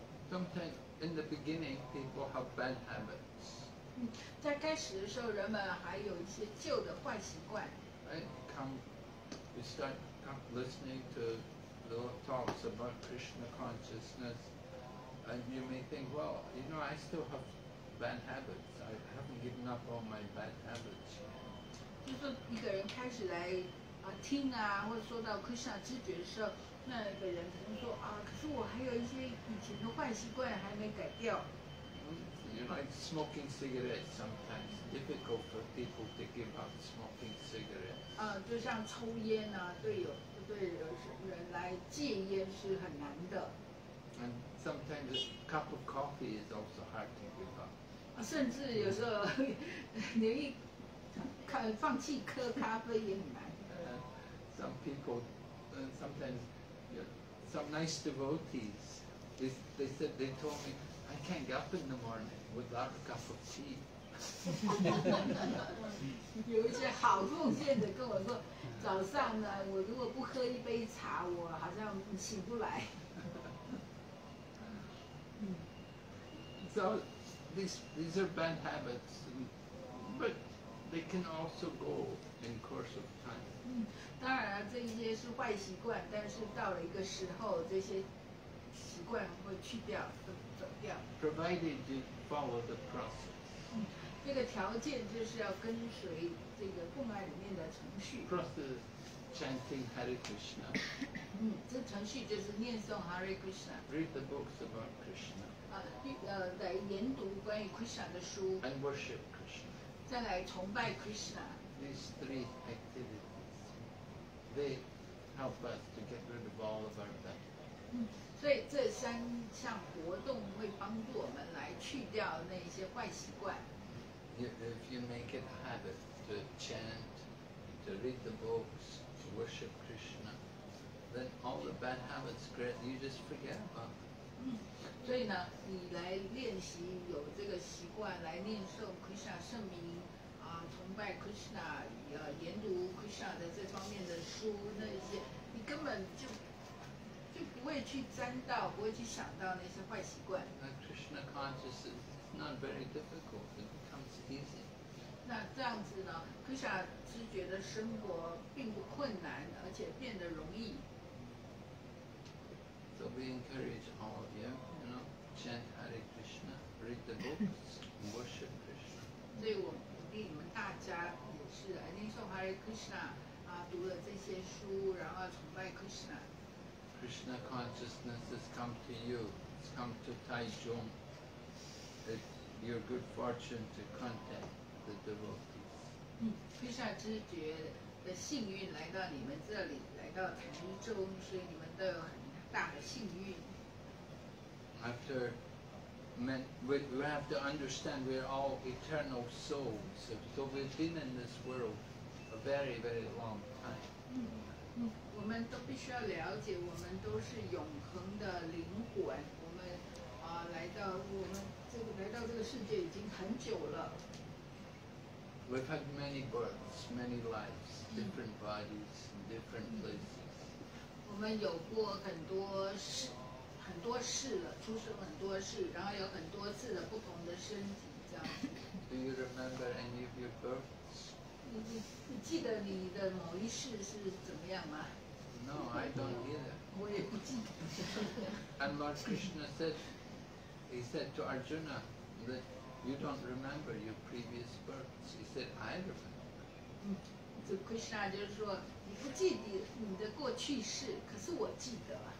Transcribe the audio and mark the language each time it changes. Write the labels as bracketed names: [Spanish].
[English] Sometimes in the beginning, people have bad habits. [Chinese] 在开始的时候，人们还有一些旧的坏习惯。 [English] We start listening to. The Lord talks about Krishna consciousness, and you may think, well, you know, I still have bad habits. I haven't given up all my bad habits. [Chinese] 就是一个人开始来啊听啊，或者说到 Krishna 知觉的时候，那个人可能说啊，可是我还有一些以前的坏习惯还没改掉。 [English] You know, like smoking cigarettes sometimes difficult for people to give up smoking cigarettes. [Chinese] 就像抽烟啊，对人来戒烟是很难的。 [English] And sometimes a cup of coffee is also hard to give up. [Chinese] 甚至有时候连一放弃喝咖啡也很难。 [English] Some people, sometimes, you know, some nice devotees, they said, they told me, I can't get up in the morning without a cup of tea. [Chinese] 有一些好奉献的跟我说，早上呢，我如果不喝一杯茶，我好像起不来。 [English] So these are bad habits, but they can also go in course of time. [Chinese] 当然了，这一些是坏习惯，但是到了一个时候，这些习惯会去掉，会走掉。 [English] Provided you follow the process. [Chinese] 这个条件就是要跟随这个供养里面的程序。 [English] Process chanting Hare Krishna. [Chinese] 这程序就是念诵 Hare Krishna. [English] Read the books about Krishna. [Chinese] 来研读关于 Krishna 的书。 [English] And worship Krishna. [Chinese] 再来崇拜 Krishna. [English] These three activities, they help us to get rid of all of our bad. [Chinese] 所以这三项活动会帮助我们来去掉那些坏习惯。 [English] If you make it a habit to chant, to read the books, to worship Krishna, then all the bad habits, you just forget about them. [Chinese] 所以呢，你来练习有这个习惯来念诵 Krishna 圣名，崇拜 Krishna， 研读 Krishna 的这方面的书，那些你根本就不会去沾到，不会去想到那些坏习惯。 [English] Krishna consciousness is not very difficult. It becomes easy. [Chinese] 那这样子呢，克夏是觉得生活并不困难，而且变得容易。 [English] So we encourage all of you, you know, chant Hare Krishna, read the books, worship Krishna. [Chinese] 所以我鼓励你们大家也是来念诵 Hare Krishna 啊，读了这些书，然后崇拜 Krishna。 [English] Krishna consciousness has come to you. It's come to Taichung. It's your good fortune to contact the devotees. [Chinese] Krishna 知觉的幸运来到你们这里，来到台中，所以你们都有很大的幸运。 [English] After, we have to understand we are all eternal souls. So we've been in this world a very, very long time. [Chinese] 我们都必须要了解，我们都是永恒的灵魂。我们啊，来到这个世界已经很久了。 [English] We've had many births, many lives, different bodies, different places. [Chinese] 我们有过很多世了，出生很多世，然后有很多次的不同的身体，这样子。 [English] Do you remember any of your births? [Chinese] 你记得你的某一世是怎么样吗 [English] ？No, I don't either. [Chinese] 我也不记得。 [English] And Lord Krishna said, he said to Arjuna that you don't remember your previous births. He said, I remember. [Chinese] 这 Krishna 就是说你不记得你的过去世，可是我记得。